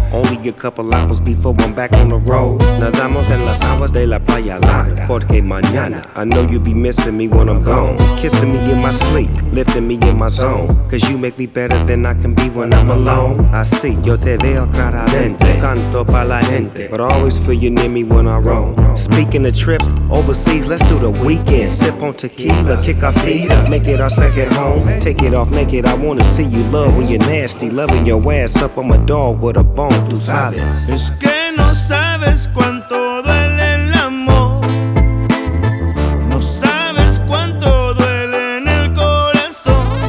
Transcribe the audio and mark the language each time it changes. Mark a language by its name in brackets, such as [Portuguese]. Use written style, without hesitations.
[English] Only a couple hours before I'm back on the road. [Spanish] Nadamos en las aguas de la playa larga. Porque mañana, [English] I know you'll be missing me when I'm gone. Kissing me in my sleep, lifting me in my zone. Cause you make me better than I can be when I'm alone. [Spanish] Así, yo te veo claramente. Canto pa' la gente. [English] But I always feel you near me when I roam. Speaking of trips, overseas, let's do the weekend. Sip on tequila, kick our feet up. Make it our second home. Take it off naked, I wanna see you love when you're nasty. Loving your ass up on my dog with a bone, [Spanish] tú sabes. Es que no sabes cuánto duele el amor. No sabes cuánto duele en el corazón.